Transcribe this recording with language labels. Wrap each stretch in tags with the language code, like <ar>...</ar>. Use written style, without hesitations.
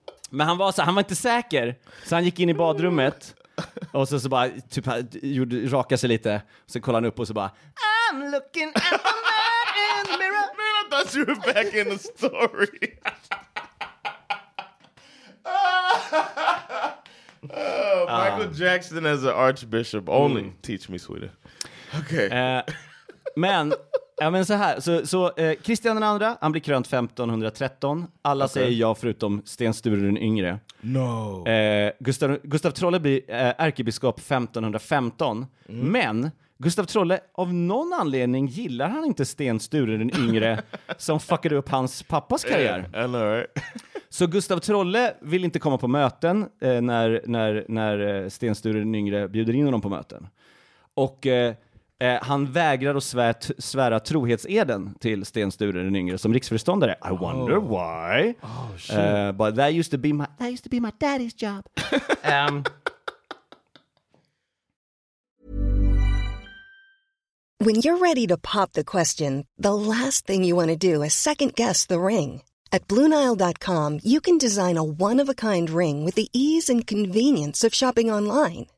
<sv>Men han var så, han var inte säker. Så han gick in i badrummet. Och så bara typ gjorde raka sig lite. Så kollade han upp och så bara,</sv> <en>I'm looking at the man in the mirror. Man, I thought you were back in the story. Michael Jackson as an archbishop only teach me Sweden.</en> <sv>Okej. Men ja, men så här, så Kristian den andra, han blir krönt 1513. Alla säger ja förutom Sten Sture den yngre.</sv> <en>No.</en> <sv>Gustav Trolle blir ärkebiskop 1515. Men Gustav Trolle, av någon anledning gillar han inte Sten Sture den yngre som fuckade upp hans pappas karriär. Så Gustav Trolle vill inte komma på möten när Sten Sture den yngre bjuder in honom på möten. Och han vägrar att svära trohetseden till Sten Sture den yngre som riksföreståndare.</sv> <en>I wonder why. Oh, shit. But that used to be my daddy's job. When you're ready to pop the question, the last thing you want to do is second guess the ring. At BlueNile.com, you can design a one-of-a-kind ring with the ease and convenience of shopping online.</en>